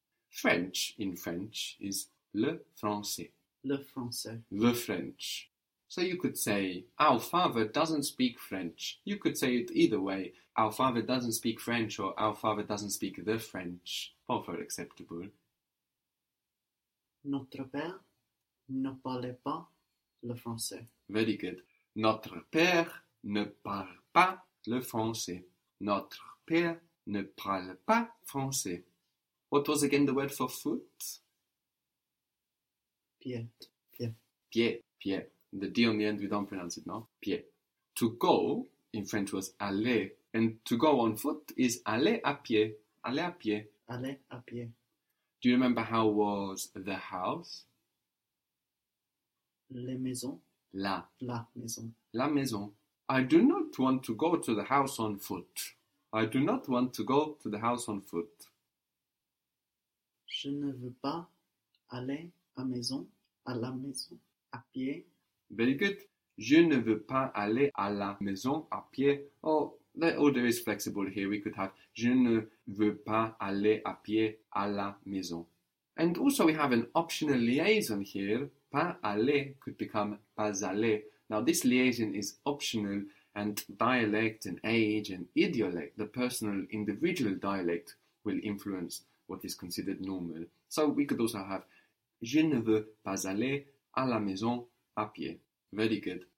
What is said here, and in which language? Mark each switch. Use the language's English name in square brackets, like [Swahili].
[English] French in French is le français. [French] Le français. Le French. [English] So you could say, our father doesn't speak French. You could say it either way. Our father doesn't speak French, or our father doesn't speak the French. Both are acceptable. [French] Notre père ne parle pas le français. [English] Very good. [French] Notre père ne parle pas le français. Notre père ne parle pas français. [English] What was again the word for foot? [French] Pied. Pied. Pied. Pied. [English] The D on the end, we don't pronounce it, no? Pied. To go, in French, was aller. And to go on foot is aller à pied. Aller à pied. [French] Aller à pied. [English] Do you remember how was the house? [French] La maison. La. La maison. La maison. [English] I do not want to go to the house on foot. I do not want to go to the house on foot. [French] Je ne veux pas aller à maison, à la maison, à pied. [English] Very good. [French] Je ne veux pas aller à la maison, à pied. [English] Oh, the order is flexible here. [French] We could have, je ne veux pas aller à pied à la maison. [English] And also we have an optional liaison here. Pas aller could become pas aller. Now this liaison is optional, and dialect and age and idiolect, the personal individual dialect, will influence what is considered normal. [French] So we could also have, je ne veux pas aller à la maison à pied. Very good.